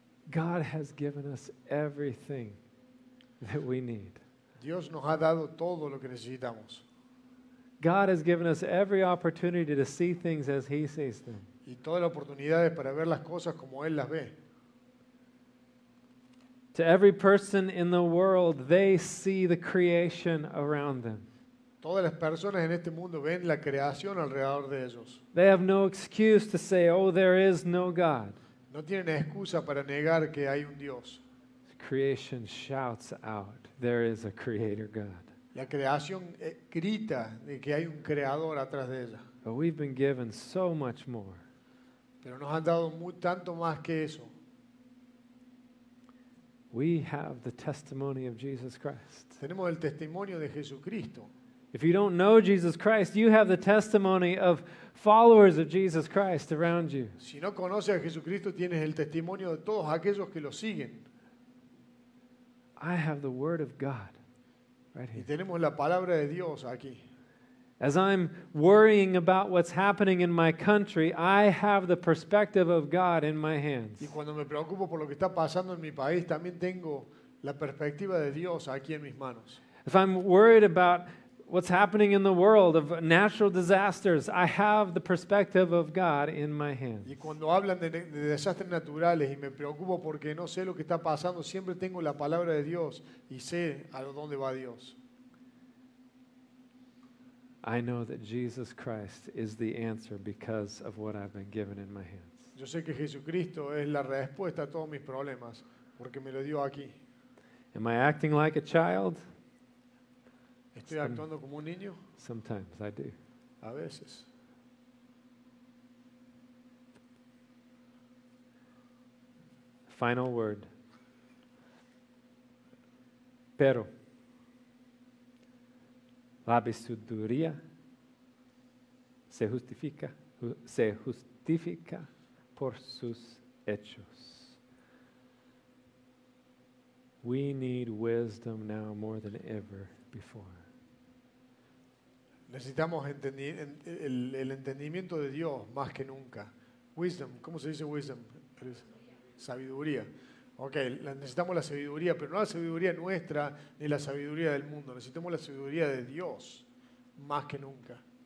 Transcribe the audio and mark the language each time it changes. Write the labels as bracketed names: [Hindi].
[English] God has given us everything that we need. [Spanish] Dios nos ha dado todo lo que necesitamos. [English] God has given us every opportunity to see things as He sees them. [Spanish] Y todas las oportunidades para ver las cosas como Él las ve. [English] To every person in the world, they see the creation around them. [Spanish] Todas las personas en este mundo ven la creación alrededor de ellos. [English] They have no excuse to say, "Oh, there is no God." [Spanish] No tienen excusa para negar que hay un Dios. [English] Creation shouts out, "There is a Creator God." [Spanish] La creación grita de que hay un creador atrás de ella. [English] But we've been given so much more. [Spanish] Pero nos han dado tanto más que eso. [English] We have the testimony of Jesus Christ. [Spanish] Tenemos el testimonio de Jesucristo. [English] If you don't know Jesus Christ, you have the testimony of followers of Jesus Christ around you. [Spanish] Si no conoces a Jesucristo, tienes el testimonio de todos aquellos que lo siguen. [English] I have the Word of God right here. [Spanish] Y tenemos la palabra de Dios aquí. [English] As I'm worrying about what's happening in my country, I have the perspective of God in my hands. [Spanish] Y cuando me preocupo por lo que está pasando en mi país, también tengo la perspectiva de Dios aquí en mis manos. [English] If I'm worried about what's happening in the world of natural disasters, I have the perspective of God in my hands. [Spanish] Y cuando hablan de desastres naturales y me preocupo porque no sé lo que está pasando, siempre tengo la palabra de Dios y sé a dónde va Dios. [English] I know that Jesus Christ is the answer because of what I've been given in my hands. [Spanish] Yo sé que Jesucristo es la respuesta a todos mis problemas porque me lo dio aquí. [English] Am I acting like a child? [Spanish] ¿Estoy actuando como un niño? [English] Sometimes I do. [Spanish] A veces. [English] Final word. [Spanish] Pero la sabiduría se justifica por sus hechos. [English] We need wisdom now more than ever before. [Spanish] Necesitamos el entendimiento de Dios más que nunca. Wisdom, ¿cómo se dice wisdom? Sabiduría. Ok, necesitamos la sabiduría, pero no la sabiduría nuestra ni la sabiduría del mundo. Necesitamos la sabiduría de Dios más que nunca.